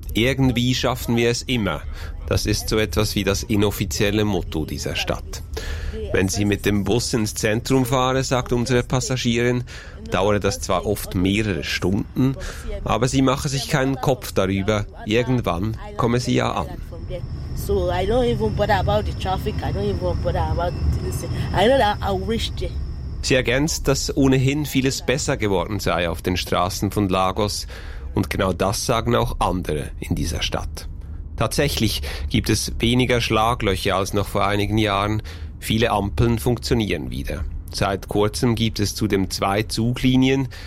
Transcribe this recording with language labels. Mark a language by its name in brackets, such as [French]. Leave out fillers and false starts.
[German] Irgendwie schaffen wir es immer. Das ist so etwas wie das inoffizielle Motto dieser Stadt. Wenn sie mit dem Bus ins Zentrum fahre, sagt unsere Passagierin, dauere das zwar oft mehrere Stunden, aber sie mache sich keinen Kopf darüber. Irgendwann komme sie ja an. [English] So I don't even bother about the traffic. I don't even bother about this. I know that I'll reach there. [German] Sie ergänzt, dass ohnehin vieles besser geworden sei auf den Straßen von Lagos. Und genau das sagen auch andere in dieser Stadt. Tatsächlich gibt es weniger Schlaglöcher als noch vor einigen Jahren. Viele Ampeln funktionieren wieder. Seit kurzem gibt es zudem 2 Zuglinien.